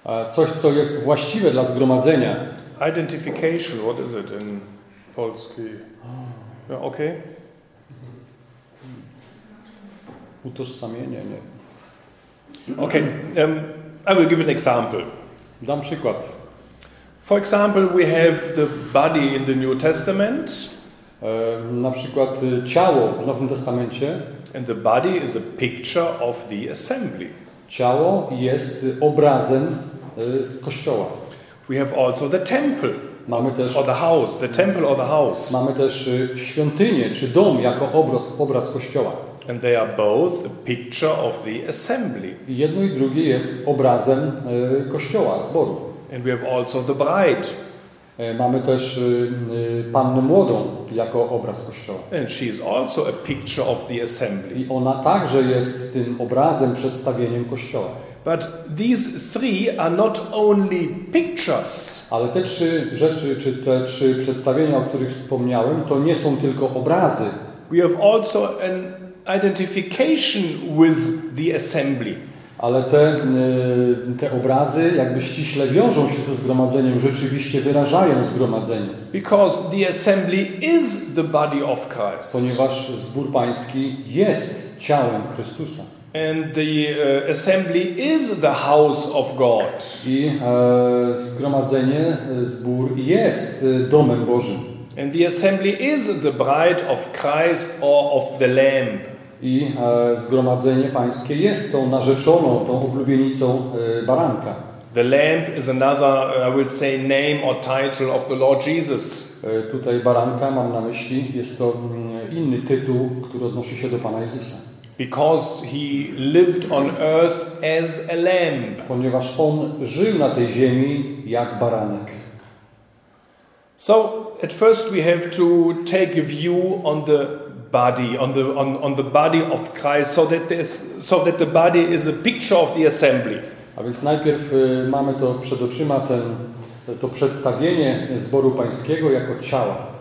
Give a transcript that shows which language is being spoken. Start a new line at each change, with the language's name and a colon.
Polish: Coś, co jest właściwe dla zgromadzenia.
English: Identification, what is it in polski? Okay.
Polish: Utożsamienie, nie.
English: Okay, I will give an example.
Polish: Dam przykład.
English: For example, we have the body in the New Testament.
Polish: Na przykład ciało w Nowym Testamencie.
English: And the body is a picture of the assembly.
Polish: Ciało jest obrazem kościoła.
English: We have also the temple.
Polish: Mamy też,
English: or the house, the temple or the house.
Polish: Mamy też świątynię czy dom jako obraz kościoła.
English: And they are both a picture of the assembly.
Polish: Jedno i drugie jest obrazem kościoła, zboru.
English: And we have also the bride.
Polish: Mamy też pannę młodą jako obraz kościoła.
English: And she is also a picture of the assembly.
Polish: I ona także jest tym obrazem, przedstawieniem kościoła.
English: But these three are not only pictures.
Polish: Ale te trzy rzeczy, czy te trzy przedstawienia, o których wspomniałem, to nie są tylko obrazy.
English: We have also an identification with the assembly.
Polish: Ale te obrazy jakby ściśle wiążą się ze zgromadzeniem, rzeczywiście wyrażają zgromadzenie.
English: Because the assembly is the body of Christ.
Polish: Ponieważ zbór pański jest ciałem Chrystusa.
English: And the assembly is the house of God.
Polish: I zgromadzenie, zbór jest domem Bożym.
English: And the assembly is the bride of Christ or of the Lamb.
Polish: I zgromadzenie pańskie jest tą narzeczoną, tą oblubienicą baranka.
English: The Lamb is another, I will say, name or title of the Lord Jesus.
Polish: Tutaj baranka, mam na myśli, jest to inny tytuł, który odnosi się do Pana Jezusa.
English: Because he lived on earth as a lamb.
Polish: Ponieważ on żył na tej ziemi jak baranek.
English: So at first we have to take a view on the body, on the body of Christ, so that the body is a picture of the assembly.
Polish: A więc najpierw mamy to przed oczyma to przedstawienie zboru pańskiego jako ciała.